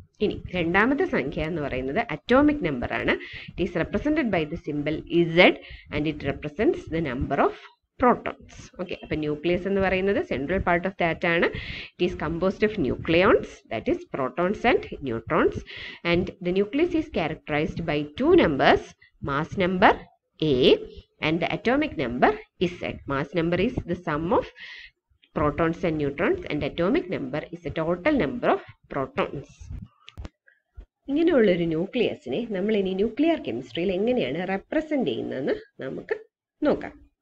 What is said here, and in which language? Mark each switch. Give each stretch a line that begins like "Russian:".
Malayalam: ഇനി രണ്ടാമത്തെ സംഖ്യ എന്ന് പറയുന്നത് atomic number ആണ്.
English: It is represented by the symbol Z and it represents the number of protons. Okay,
Malayalam: അപ്പോൾ nucleus എന്ന് പറയുന്നത്
English: central part of that ആണ്. It is composed of nucleons, that is protons and neutrons, and the nucleus is characterized by two numbers, mass number A and the atomic number Z. Mass number is the sum of protons and neutrons and atomic number is the total number of protons.
Malayalam: ഇങ്ങനെയുള്ള ഒരു ന്യൂക്ലിയസിനെ നമ്മൾ ഇനി nuclear കെമിസ്ട്രിയിൽ എങ്ങനെയാണ് represent ചെയ്യുന്നതെന്ന് നമുക്ക് നോക്കാം.